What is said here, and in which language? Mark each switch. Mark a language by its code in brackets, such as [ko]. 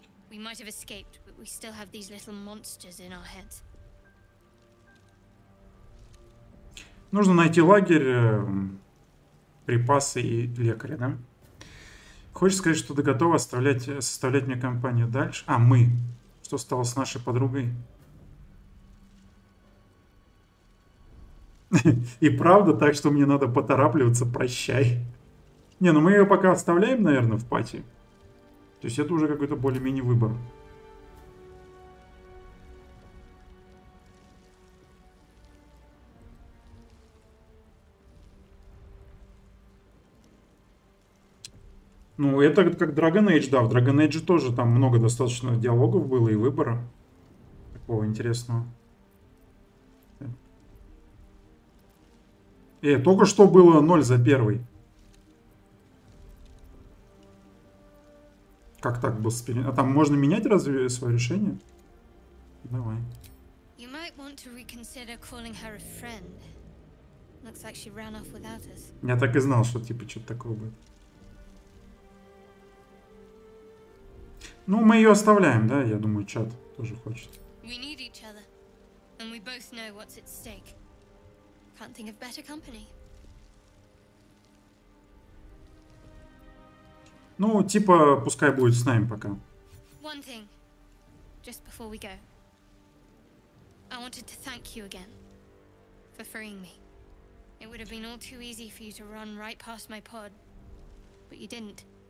[en] We might have escaped, but we still have these little monsters in our heads. [ru] Нужно найти лагерь, припасы и лекаря, да? Хочешь сказать, что ты готова составлять мне компанию дальше? А, мы. Что стало с нашей подругой? И правда так, что мне надо поторапливаться, прощай. Не, ну мы ее пока оставляем, наверное, в пати. То есть это уже какой-то более-менее выбор. Ну, это как Dragon Age, да. В Dragon Age тоже там много достаточно диалогов было и выбора. Такого интересного. Только что было 0 за первый. Как так был спирен? А там можно менять разве свое решение? Давай. [en] You might want to reconsider calling her a friend. Looks like she ran off without us. [ru] Я так и знал, что типа что-то такое будет. Ну, мы ее оставляем, да? Я думаю, чат тоже хочет. [en] We need each other, and we both know what's at stake. Can't think of better company. [ru] Ну, типа, пускай будет с нами пока. [en] One thing, just before we go. I wanted to thank you again for freeing me. It would have been all too easy for you to run right past my pod, but you didn't.